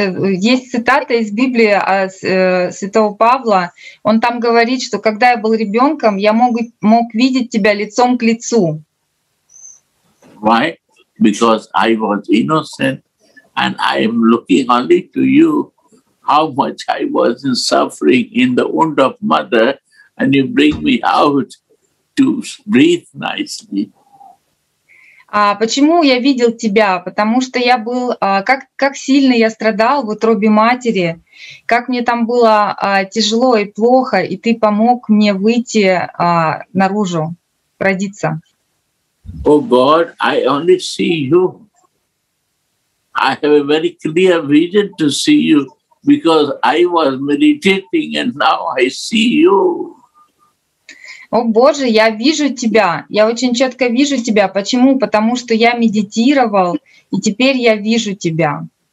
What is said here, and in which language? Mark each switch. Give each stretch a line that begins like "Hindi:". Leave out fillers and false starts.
Russian: Есть цитата из Библии святого Павла. Он там говорит, что когда я был ребенком, я мог видеть тебя лицом к лицу.
English: Why? Because I was innocent and I am looking only to you how much I was in suffering in the womb of mother, and you bring me out to breathe nicely.
Russian: А почему я видел тебя? Потому что я был, как сильно я страдал в утробе матери, как мне там было тяжело и плохо, и ты помог мне выйти наружу, родиться.
English: О, God, I only see you. I have a very clear vision to see you, because I was meditating and now I see you.
Russian: О, Боже, я вижу тебя. Я очень четко вижу тебя. Почему? Потому что я медитировал, и теперь я вижу тебя.